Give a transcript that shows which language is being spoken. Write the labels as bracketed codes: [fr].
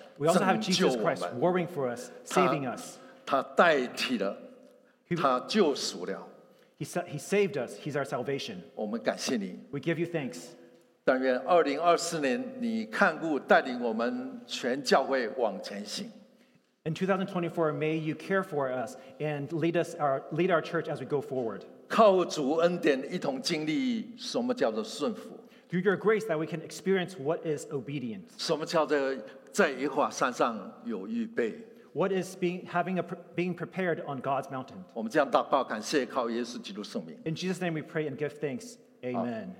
[en] We also have Jesus Christ warring for us, saving us. [zh] 他代替了, 他救赎了。 [en] He saved us. He's our salvation. [zh] 我们感谢你。 [en] We give you thanks. [zh] 但愿2024年你看顾带领我们全教会往前行。 [en] In 2024, may you care for us and lead our church as we go forward. [zh] 靠主恩典一同经历什么叫做顺服。 [en] Through your grace that we can experience what is obedience. [zh] 什么叫做在耶和华山上有预备。 [en] What is being prepared on God's mountain? [zh] 我们这样祷告, 感谢靠耶稣基督圣名。 [en] In Jesus' name we pray and give thanks. Amen.